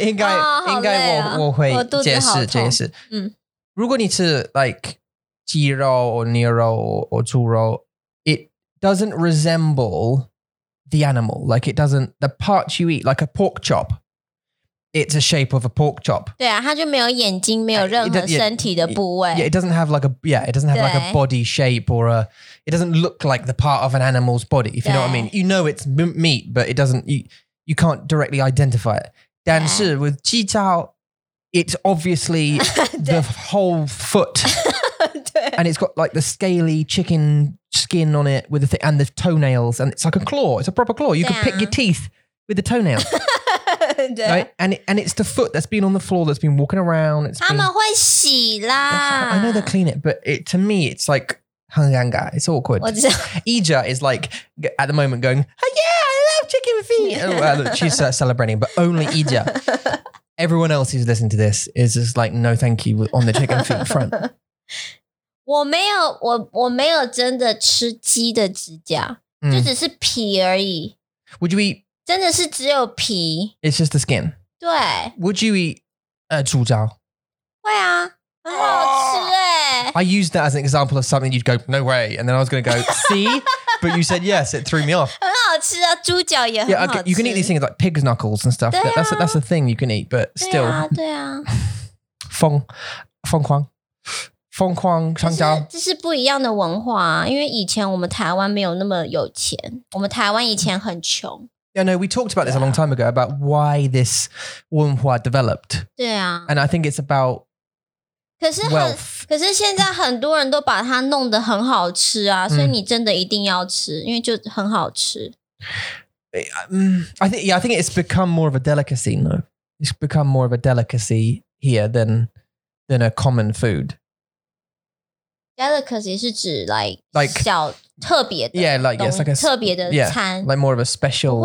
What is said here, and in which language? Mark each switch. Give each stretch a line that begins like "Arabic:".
Chinese: 应该我会解释。如果你是like鸡肉 or 牛肉 or 猪肉,
English: it doesn't resemble the animal. Like it doesn't, the parts you eat, like a pork chop, it's a shape of a pork chop.
Chinese: 对啊，它就没有眼睛，没有任何身体的部位。
English: Yeah, it doesn't have like a body shape or a, it doesn't look like the part of an animal's body, if you know what I mean. You know it's meat, but it doesn't, you can't directly identify it.
Chinese: 但是
English: with 鸡脚, it's obviously the whole foot. And it's got like the scaly chicken skin on it with and the toenails, and it's like a claw. It's a proper claw. You can pick your teeth with the toenail. Right? And it's the foot that's been on the floor, that's been walking around. It's
Chinese: been, 他们会洗啦.
English: I know they clean it, but it, to me, it's like, hanganga. It's awkward. Ija is like, at the moment, going, oh, yeah, I love chicken feet. She's celebrating, but only Ija. Everyone else who's listening to this is just like, no, thank you, on the chicken feet front.
Chinese: 我没有真的吃鸡的指甲，就只是皮而已。
English: Would you eat?
Chinese: 真的是只有皮。
English: It's just the skin.
Chinese: 对。
English: Would you eat 猪脚？
Chinese: 会啊，很好吃欸。
English: I used that as an example of something you'd go, no way. And then I was going to go, see? But you said yes, it threw me off.
Chinese: 很好吃啊，猪脚也很好吃。
English: Okay, you can eat these things like pig's knuckles and stuff.
Chinese: 对啊。
English: That's a thing you can eat, but still.
Chinese: 对啊。疯狂。疯狂香蕉，这是不一样的文化啊！因为以前我们台湾没有那么有钱，我们台湾以前很穷。
English: Yeah, no, we talked about this a long time ago about why this 文化 developed.
Chinese: 对啊
English: ，and I think it's about
Chinese: 可是现在很多人都把它弄得很好吃啊，所以你真的一定要吃，因为就很好吃。
English: I think it's become more of a delicacy. No, it's become more of a delicacy here than a common food.
Chinese: Delicacy 是指 like 小特别的
English: yeah, like, yes, like a,
Chinese: 特别的餐
English: yeah, like more of a special、